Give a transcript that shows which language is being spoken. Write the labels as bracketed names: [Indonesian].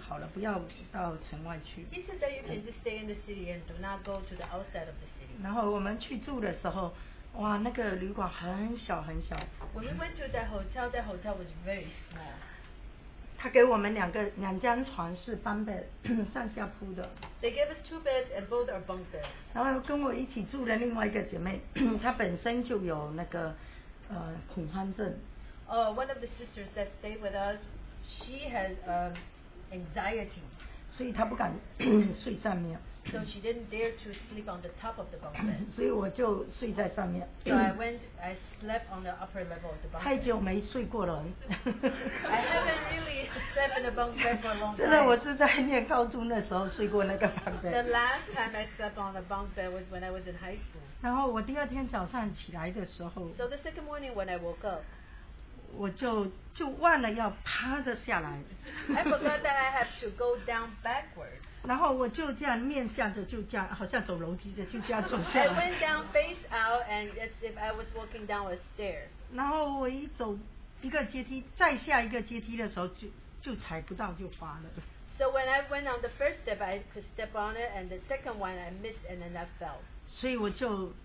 [Chinese] 然后他说，哦，你就在城里面住好了，不要到城外去。 [English] He said that you can just stay in the city and do not go to the outside of the city. [Chinese] 然后我们去住的时候。哇，那个旅馆很小很小。 [English] When we went to that hotel was very small. [Chinese] 他给我们两个两张床是bunk bed，上下铺的。 [English] They gave us two beds and both are bunk beds. [Chinese] 然后跟我一起住的另外一个姐妹，她本身就有那个恐慌症。 [English] One of the sisters that stayed with us, she has anxiety. [Chinese] 所以她不敢睡上面。 [English] So she didn't dare to sleep on the top of the bunk bed. [Chinese] 所以我就睡在上面。 [English] So I slept on the upper level of the bunk bed. [Chinese] 太久没睡过了。 [English] I haven't really slept in a bunk bed for a long time. [Chinese] 真的，我是在念高中的时候睡过那个bunk bed. [English] The last time I slept on the bunk bed was when I was in high school. [Chinese] 然后我第二天早上起来的时候。 [English] So the second morning when I woke up. [Chinese] 我就忘了要趴着下来。 [English] I forgot that I have to go down backwards. [Chinese] 然后我就这样面向着，就这样，好像走楼梯的，就这样走下来。 [English] I went down face out and as if I was walking down a stair. [Chinese] 然后我一走一个阶梯，再下一个阶梯的时候，就踩不到，就滑了。 [English] So when I went on the first step, I could step on it, and the second one I missed, and then I fell.